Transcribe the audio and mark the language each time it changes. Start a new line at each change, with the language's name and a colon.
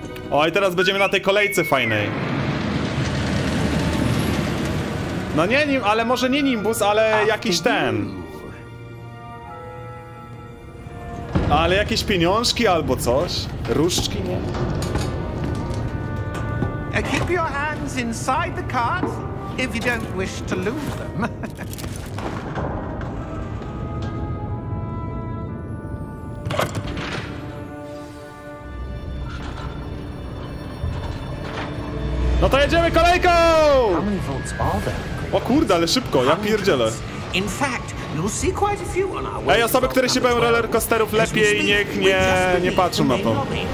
Polish: O, i teraz będziemy na tej kolejce fajnej. No nie nim, ale może nie Nimbus, ale jakiś ten. Ale jakieś pieniążki albo coś? Różdżki, nie?
English: Keep your hands inside the cart if you don't wish to lose them.
Polish: No to jedziemy kolejką!
English: How many vaults are there?
Polish: O kurde, ale szybko, ja pierdzielę.
English: In fact, you'll see quite a few on our way.
Polish: Ej, osoby, które się bawią rollercoasterów, lepiej niech nie patrzą na to.